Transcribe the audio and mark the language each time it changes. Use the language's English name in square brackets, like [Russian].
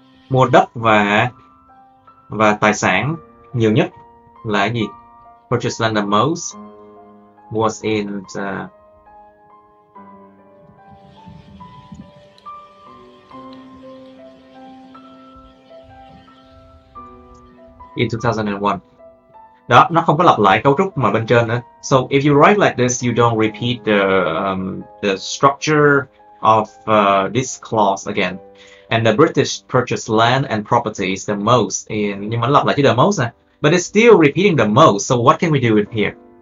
[Vietnamese] Mua đất và tài sản nhiều nhất là gì? [English] Purchased land the most was in the, in 2001. [Vietnamese] Đó, nó không có lặp lại cấu trúc mà bên trên nữa. [English] So if you write like this, you don't repeat the structure of this clause again. And the British purchased land and properties the most in, [Vietnamese] nhưng mà lặp lại chứ the most nè. [English] But it's still repeating the most. So what can we do in here?